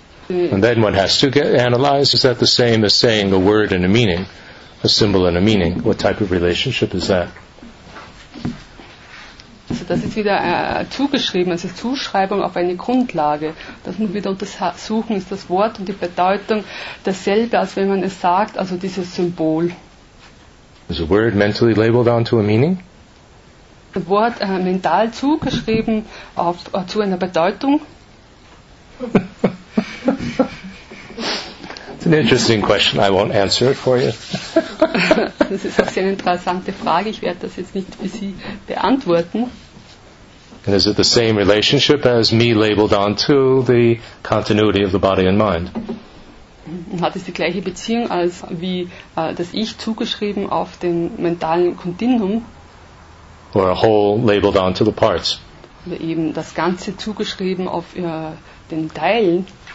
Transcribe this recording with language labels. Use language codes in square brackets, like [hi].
[en] And then one has to get analyzed. Is that the same as saying a word and a meaning, a symbol and a meaning? What type of relationship is that? [de] Also das ist wieder zugeschrieben, also Zuschreibung auf eine Grundlage. Das muss man wieder untersuchen, ist das Wort und die Bedeutung dasselbe, als wenn man es sagt, also dieses Symbol. [en] Is a word mentally labeled onto a meaning? [de] Das Wort mental zugeschrieben zu einer Bedeutung. [en] It's an interesting question. I won't answer it for you. [de] Das ist auch eine interessante Frage. Ich werde das jetzt nicht für Sie beantworten. [en] And is it the same relationship as me labeled onto the continuity of the body and mind? [de] Hat es die gleiche Beziehung als wie das Ich zugeschrieben auf dem mentalen Kontinuum? [en] Or a whole labeled onto the parts? [de] Oder eben das Ganze zugeschrieben auf den Teilen?